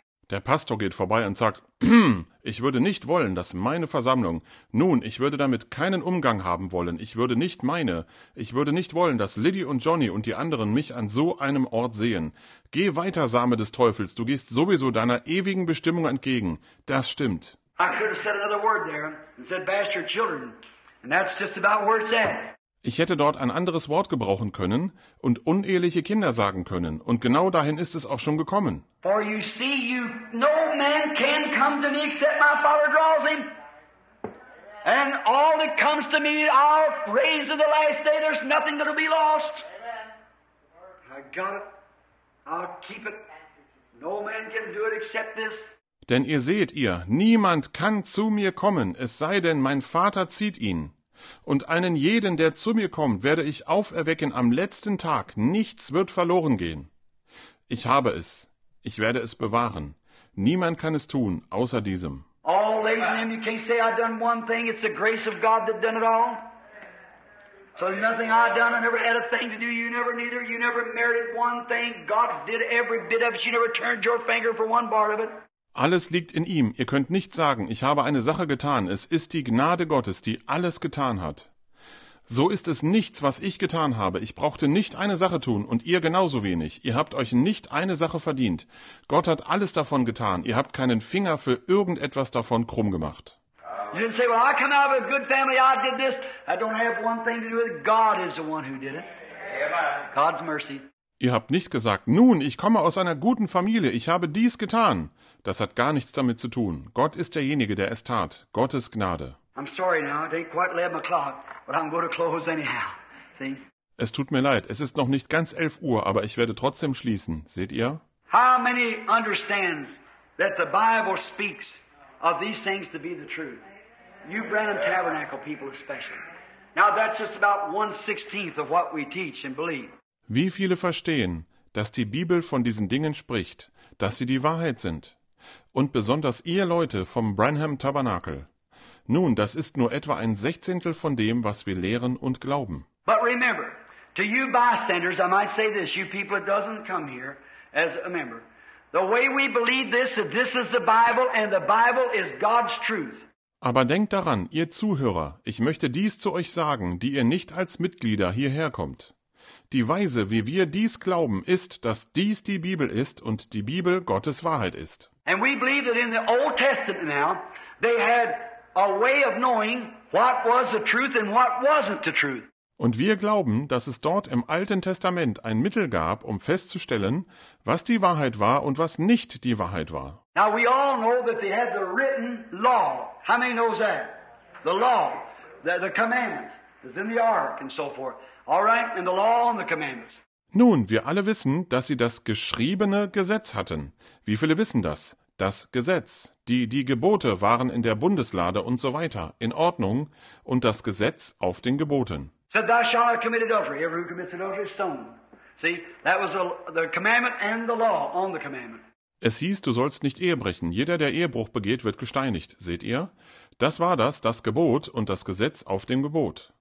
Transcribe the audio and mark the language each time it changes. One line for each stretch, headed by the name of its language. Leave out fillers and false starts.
German: Der Pastor geht vorbei und sagt, ich würde nicht wollen, dass meine Versammlung, nun, ich würde damit keinen Umgang haben wollen, ich würde nicht wollen, dass Liddy und Johnny und die anderen mich an so einem Ort sehen. Geh weiter, Same des Teufels, du gehst sowieso deiner ewigen Bestimmung entgegen. Das stimmt.
English: I could have said another word there and said bastard children, and that's just about where it's at.
German: Ich hätte dort ein anderes Wort gebrauchen können und uneheliche Kinder sagen können. Und genau dahin ist es auch schon gekommen.
English: For you see, you, no man can come to me except my Father draws him. And all that comes to me, I'll raise to the last day. There's nothing that'll be lost. I got it. I'll keep it. No man can do it except this.
German: Denn ihr seht, ihr, niemand kann zu mir kommen, es sei denn, mein Vater zieht ihn. Und einen jeden, der zu mir kommt, werde ich auferwecken am letzten Tag. Nichts wird verloren gehen. Ich habe es. Ich werde es bewahren. Niemand kann es tun, außer diesem.
English: All ladies and men, you can't say I've done one thing. It's the grace of God that done it all. So nothing I've done, I never had a thing to do. You never neither. You never merited one thing. God did every bit of it. You never turned your finger for one part of it.
German: Alles liegt in ihm. Ihr könnt nicht sagen, ich habe eine Sache getan. Es ist die Gnade Gottes, die alles getan hat. So ist es nichts, was ich getan habe. Ich brauchte nicht eine Sache tun und ihr genauso wenig. Ihr habt euch nicht eine Sache verdient. Gott hat alles davon getan. Ihr habt keinen Finger für irgendetwas davon krumm gemacht.
English: You didn't say, well, I come out of a good family, I did this. I don't have one thing to do with it. God is the one who did it. God's mercy.
German: Ihr habt nicht gesagt, nun, ich komme aus einer guten Familie, ich habe dies getan. Das hat gar nichts damit zu tun. Gott ist derjenige, der es tat. Gottes Gnade.
English: I'm sorry now, it ain't quite 11 o'clock, but I'm going to close anyhow. See?
German: Es tut mir leid, es ist noch nicht ganz 11 Uhr, aber ich werde trotzdem schließen. Seht ihr?
English: How many understands that the Bible speaks of these things to be the truth? You Branham Tabernacle people especially. Now that's just about 1/16 of what we teach and believe.
German: Wie viele verstehen, dass die Bibel von diesen Dingen spricht, dass sie die Wahrheit sind? und besonders ihr Leute vom Branham Tabernakel. Nun, das ist nur etwa ein Sechzehntel von dem, was wir lehren und glauben.
English: But remember, to you bystanders, I might say this, you people that doesn't come here as a member, the way we believe this, that this is the Bible and the Bible is God's truth.
German: Aber denkt daran, ihr Zuhörer, ich möchte dies zu euch sagen, die ihr nicht als Mitglieder hierher kommt. Die Weise, wie wir dies glauben, ist, dass dies die Bibel ist und die Bibel Gottes Wahrheit ist.
English: And we believe that in the Old Testament now, they had a way of knowing what was the truth and what wasn't the truth.
German: Und wir glauben, dass es dort im Alten Testament ein Mittel gab, um festzustellen, was die Wahrheit war und was nicht die Wahrheit war.
English: Now we all know that they had the written law. How many knows that? The law, the commandments, is in the ark and so forth. All right, and the law and the commandments.
German: Nun, wir alle wissen, dass sie das geschriebene Gesetz hatten. Wie viele wissen das? Das Gesetz, die Gebote waren in der Bundeslade und so weiter, in Ordnung, und das Gesetz auf den Geboten.
English: So, thou shalt have committed adultery. Every who commits adultery is stoned. See, that was the commandment and the law on the commandment.
German: Es hieß, du sollst nicht Ehe brechen. Jeder, der Ehebruch begeht, wird gesteinigt. Seht ihr? Das war das Gebot und das Gesetz auf dem Gebot.